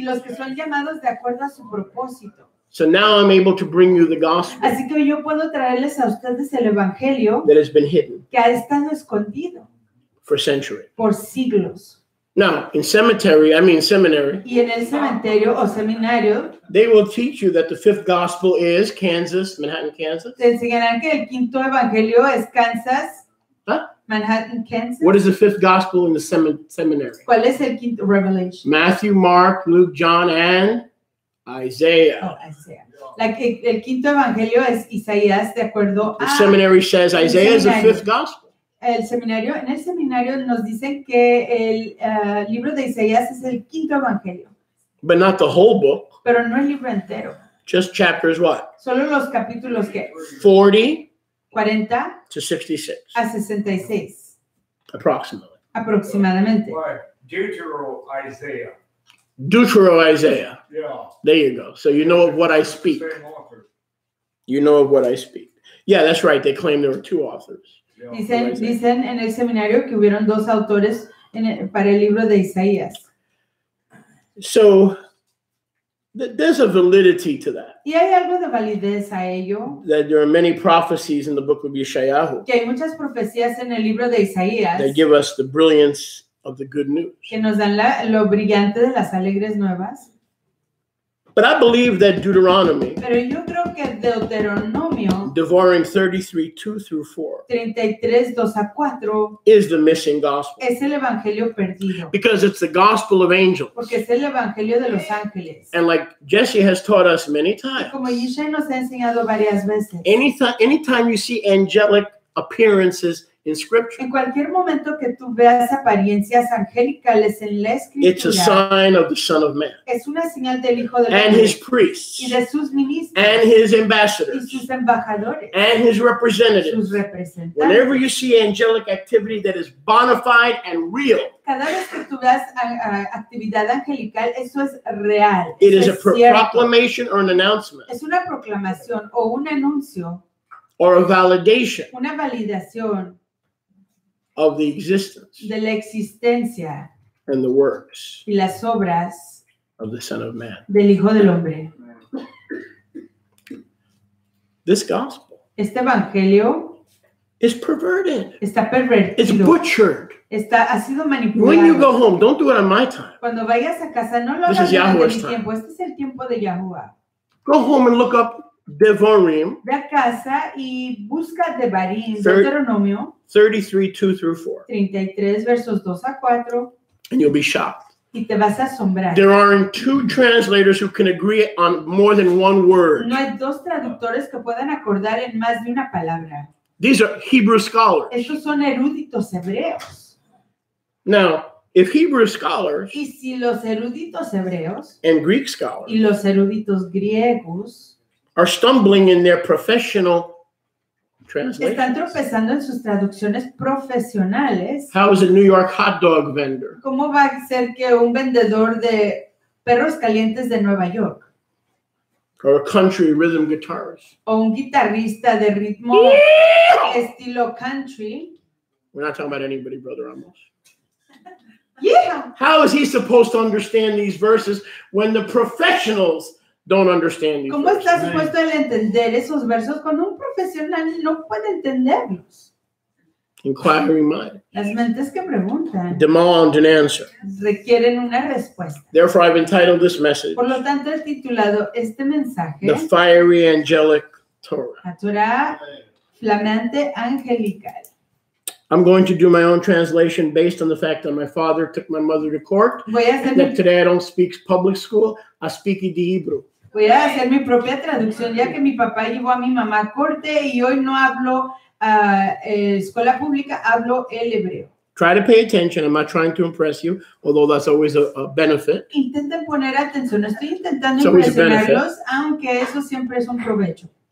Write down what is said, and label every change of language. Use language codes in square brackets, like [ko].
[es] Y los que son llamados de acuerdo a su propósito. [en] So now I'm able to bring you the gospel. [es] Así que yo puedo traerles a ustedes el evangelio. [en] That has been hidden. [es] Que ha estado escondido. [en] For centuries. [es] Por siglos. [en] Now, in cemetery, I mean seminary. [es] Y en el cementerio o seminario. [en] They will teach you that the fifth gospel is Kansas, Manhattan, Kansas. [es] Te enseñarán que el quinto evangelio es Kansas, Manhattan, Kansas. [en] What is the fifth gospel in the seminary? [es] ¿Cuál es el quinto revelation? [en] Matthew, Mark, Luke, John, and Isaiah. Oh, Isaiah. [es] Like el quinto evangelio es Isaías, de acuerdo a. [en] The seminary says Isaiah is the fifth gospel. [es] El seminario, en el seminario nos dicen que el libro de Isaías es el quinto evangelio. [en] But not the whole book. [es] Pero no el libro entero. [en] Just chapters what? [es] Solo los capítulos que. [en] 40. [es] 40. [en] To 66. [es] A 66. [en] Approximately. [es] Aproximadamente. [en] Deutero Isaiah. Yeah. There you go. So you know of what I speak. You know of what I speak. Yeah, that's right. They claim there are two authors. [es] Dicen en el seminario que hubieron dos autores para el libro de Isaías. [en] So, there's a validity to that. [es] Y hay algo de validez a ello. [en] That there are many prophecies in the book of Yeshayahu. [es] Que hay muchas profecías en el libro de Isaías. [en] That give us the brilliance of the good news. [es] Que nos dan lo brillante de las alegres nuevas. [en] But I believe that Deuteronomy. [es] Pero yo creo que Deuteronomio. [en] Devarim 33:2-4. [es] 33:2-4. [en] Is the missing gospel. [es] Es el evangelio perdido. [en] Because it's the gospel of angels. [es] Porque es el evangelio de los ángeles. [en] And like Jesse has taught us many times. [es] Como Yishai nos ha enseñado varias veces. [en] Anytime you see angelic appearances in scripture. [es] En cualquier momento que tú veas apariencias angelicales en la escritura. [en] It's a sign of the Son of Man. [es] Es una señal del Hijo del Hombre. [en] And his priests. [es] Y de sus ministros. [en] And his ambassadors. [es] Y sus embajadores. [en] And his representatives. [es] Sus representantes. [en] Whenever you see angelic activity that is bona fide and real. [es] Cada vez que tú veas actividad angelical, eso es real. [en] It is a proclamation or an announcement. [es] Es una proclamación o un anuncio. [en] Or a validation. [es] Una validación. [en] Of the existence. [es] De la existencia. [en] And the works. [es] Y las obras. [en] Of the Son of Man. [es] Del Hijo del Hombre. [en] This gospel. [es] Este evangelio. [en] Is perverted. [es] Está pervertido. [en] It's butchered. [es] Está, ha sido manipulado. [en] When you go home, don't do it on my time. [es] Cuando vayas a casa, no lo [en] this [es] hagas [en] is Yahuwah's [es] mi [en] time. [es] Este es el tiempo de Yahuwah. [en] Go home and look up Devarim. [es] Ve a casa y busca Devarim, Deuteronomio. [en] 33:2-4. [es] 33 versos 2 a 4. [en] And you'll be shocked. [es] Y te vas a asombrar. [en] There aren't two translators who can agree on more than one word. [es] No hay dos traductores que puedan acordar en más de una palabra. [en] These are Hebrew scholars. [es] Estos son eruditos hebreos. [en] Now, if Hebrew scholars [es] y si los eruditos hebreos [en] and Greek scholars [es] y los eruditos griegos [en] are stumbling in their professional translations, [es] están tropezando en sus traducciones profesionales, [en] how is a New York hot dog vendor? [es] ¿Cómo va a ser que un vendedor de perros calientes de Nueva York? [en] Or a country rhythm guitarist. [es] O un guitarrista de ritmo estilo country. [en] We're not talking about anybody, Brother Amos. Yeah. How is he supposed to understand these verses when the professionals don't understand these [es] ¿Cómo está supuesto el entender esos versos cuando un profesional no puede entenderlos? [en] Inquiring mind. [es] Las mentes que preguntan. [en] Demand an answer. [es] Requieren una respuesta. [en] Therefore, I've entitled this message. [es] Por lo tanto, he titulado este mensaje. [en] The fiery angelic Torah. [es] La Torah flamante angelical. [en] I'm going to do my own translation based on the fact that my father took my mother to court. [es] Voy a hacer [en] that today I don't speak public school. I speak the Hebrew. [es] Voy a hacer mi propia traducción ya que mi papá llevó a mi mamá a corte y hoy no hablo. Escuela pública, hablo el hebreo. [en] Try to pay attention. I'm not trying to impress you, although that's always a benefit. [es] Intenten poner atención. Estoy intentando impresionarlos, aunque eso siempre es un provecho.